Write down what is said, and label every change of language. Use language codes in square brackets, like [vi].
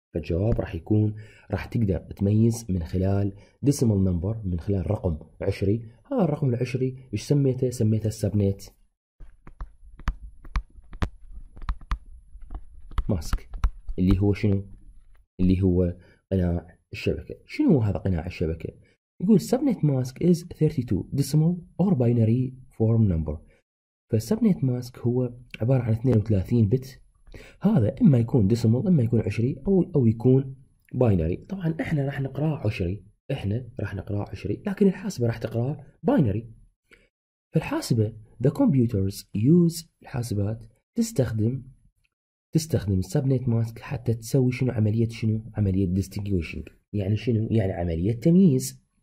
[ar] فالجواب راح يكون راح تقدر تميز من خلال decimal number، من خلال رقم عشري. هذا الرقم العشري إيش سميته؟ سميته subnet ماسك، اللي هو شنو؟ اللي هو قناع الشبكة. شنو هذا قناع الشبكة؟ يقول [en] subnet mask is 32 decimal or binary form number. [ar] فالsubnet mask هو عبارة عن 32 بت، هذا إما يكون decimal إما يكون عشري أو يكون binary. طبعا إحنا راح نقرأ عشري، إحنا راح نقرأ عشري، لكن الحاسبة راح تقرأ binary. فالحاسبة [en] the computers use، [ar] الحاسبات تستخدم السبنت ماسك حتى تسوي شنو؟ عملية شنو؟ عملية ديستينجويشنج. يعني شنو؟ يعني عملية تمييز.